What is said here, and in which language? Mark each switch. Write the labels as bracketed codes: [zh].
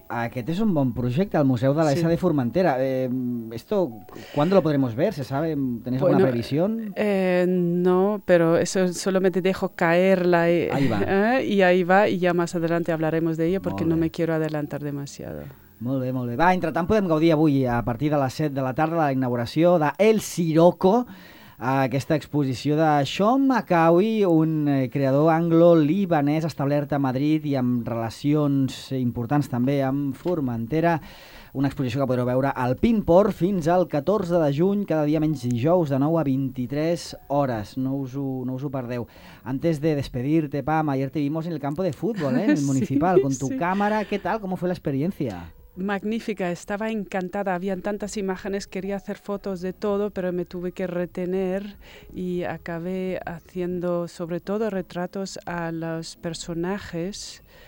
[ca] Aquest és un bon projecte, el Museu de l'SD Formentera. [es] Esto, ¿cuándo lo podremos ver? ¿Se sabe? ¿Tenéis alguna previsió? No, pero eso solamente dejo caer la... Ahí va. Y ahí va, y ya más adelante hablaremos de ello porque no me quiero adelantar demasiado. [ca] Molt bé, molt bé. Va, entretant podem gaudir avui a partir de les 7 de la tarda de la inauguració de El Sirocco, aquesta exposició de Sean Macaoui, un creador anglo-libanès establert a Madrid i amb relacions importants també amb Formentera. Una exposició que podreu veure al Pinport fins al 14 de juny, cada dia menys dijous, de 9 a 23 hores. No us ho perdeu. [es] Antes de despedirte, Pam, ayer te vimos en el campo de fútbol, en el municipal, sí, con tu sí. Cámara. ¿Qué tal? ¿Cómo fue la experiencia? Magnífica, estaba encantada, habían tantas imágenes, quería hacer fotos de todo, pero me tuve que retener y acabé haciendo sobre todo retratos a los personajes